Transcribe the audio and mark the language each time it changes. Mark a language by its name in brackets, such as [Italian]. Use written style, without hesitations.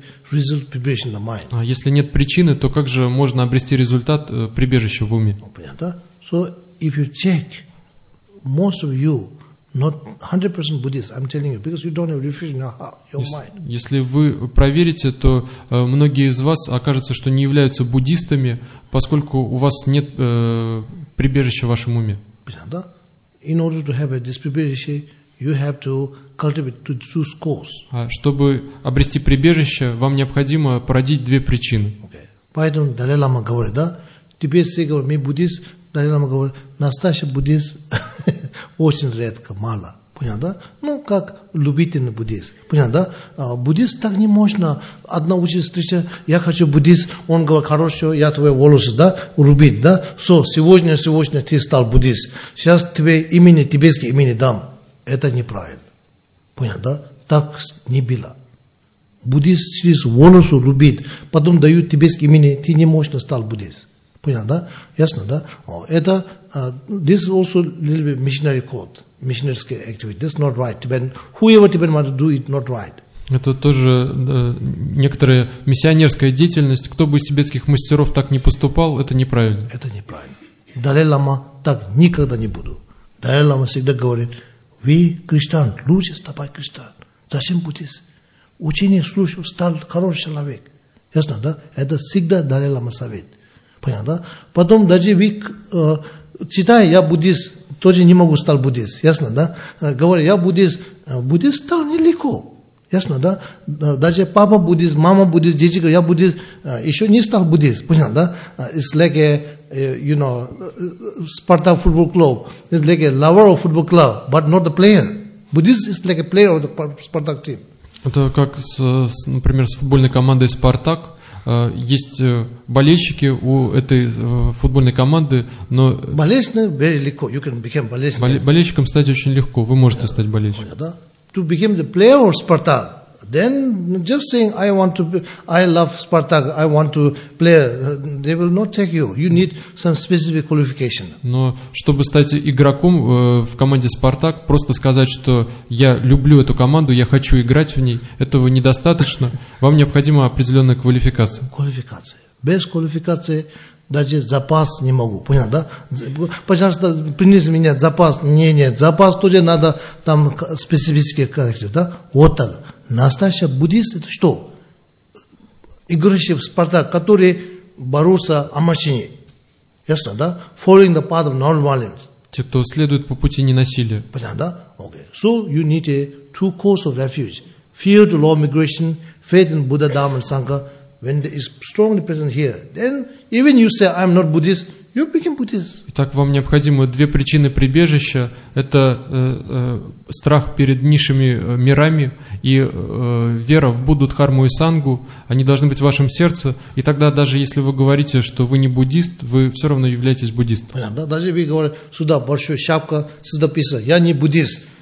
[Russian] Если нет причины, то как же можно обрести результат прибежища в уме? Понятно? [English] So if you check, most of you not 100% Buddhist, I'm telling you, because you don't have refuge in your mind. [Russian] Если вы проверите, то многие из вас окажутся, что не являются буддистами, поскольку у вас нет прибежища в вашем уме. Да? [English] In order to have this prebjeshe, you have to cultivate two schools. [Russian] Чтобы обрести прибежище, вам необходимо породить две причины. [English] Okay. [Russian] Поэтому Далай Лама говорит, да? Тебе все говорят, мы буддист. Далай Лама говорит, настоящий буддист. Очень редко, мало. Понятно, да? Ну, как любительный буддист. Понятно, да? Буддист так не мощно. Одна учитель встреча, я хочу буддист, он говорит, хорошо, я твои волосы, да, рубить, да? Все, сегодня ты стал буддист. Сейчас тебе имени, тибетские имени дам. Это неправильно. Понятно, да? Так не было. Буддист через волосы рубит, потом дают тибетские имени, ты не мощно стал буддист. Понятно, да? Ясно, да? Это, [English] this is also a little bit missionary code, missionary activity. This is not right. Tibetan, whoever Tibetan wants to do it, not right. [Russian] Это тоже некоторая миссионерская деятельность. Кто бы из тибетских мастеров так не поступал, это неправильно. Это неправильно. Далай Лама так никогда не буду. Далай Лама всегда говорит, вы, христиан, лучше ставай христиан. Зачем буддист? Учение слушал, стал хороший человек. Ясно, да? Это всегда Далай Лама совет. Понятно, да? Потом даже вы читай, я буддист, тоже не могу стать буддист, ясно, да? Говорю, я буддист, буддист стал нелегко, ясно, да? Даже папа буддист, мама буддист, дети говорят, я буддист, еще не стал буддист, понятно, да? [English] It's like a, you know, Sparta football club, it's like a lover of football club, but not the player. Buddhist is like a player of the Sparta team. [Russian] Это как, например, с футбольной командой «Спартак». Есть болельщики у этой футбольной команды, но болельщиком стать очень легко. Вы можете стать болельщиком. [English] To become the player of Spartak, then just saying I want to, be, I love Spartak, I want to play, they will not take you. You need some specific qualification. [Russian] Но чтобы стать игроком в команде Спартак, просто сказать, что я люблю эту команду, я хочу играть в ней, этого недостаточно. Вам необходима определенная квалификация. Квалификация. Без квалификации даже запас не могу, понял, да? Пожалуйста, принеси меня запас. Нет, запас тоже надо там специфический характер, да? Вот так. Настоящий буддист – это что? Игрыши в Спартак, которые борются о машине. Ясно, да? [English] Following the path of non-violence. [Russian] Те, кто следует по пути ненасилия. Понял, да? [English] Okay. So you need a true course of refuge. Fear to law migration, faith in Buddha, Dharma and Sangha. When it is strongly present here, then even you say, I'm not Buddhist, you become Buddhist. [Russian] Итак, вам необходимы две причины прибежища. Это страх перед низшими мирами и вера в Будду, Дхарму и Сангу. Они должны быть в вашем сердце. И тогда, даже если вы говорите, что вы не буддист, вы все равно являетесь буддистом. Понятно, да? Даже вы говорите, сюда большая шапка, сюда писать, я не буддист.